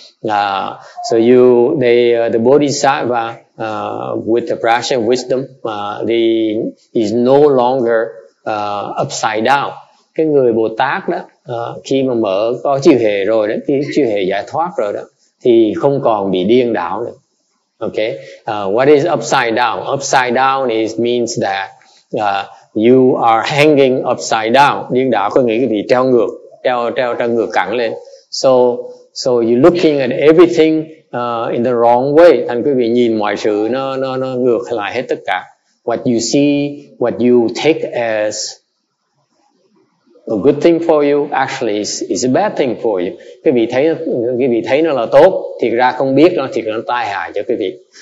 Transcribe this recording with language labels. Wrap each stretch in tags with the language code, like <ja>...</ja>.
<en>So you the bodhisattva with the prajna wisdom is no longer upside down.</en> <vi>Cái người Bồ Tát đó khi mà mở có chư hề rồi đó, chư hề giải thoát rồi đó thì không còn bị điên đảo nữa.</vi> <en>Okay. What is upside down? Upside down is means that you are hanging upside down.</en> <vi>Điên đảo có nghĩa là bị treo ngược, treo ngược cẳng lên.</vi> <en>So you're looking at everything in the wrong way.</en> <vi>Thành quý vị nhìn mọi sự nó ngược lại hết tất cả.</vi> <en>What you see, what you take as a good thing for you actually is a bad thing for you.</en> <vi>Quý vị thấy nó là tốt, thiệt ra không biết nó thiệt là nó tai hại cho quý vị.</vi>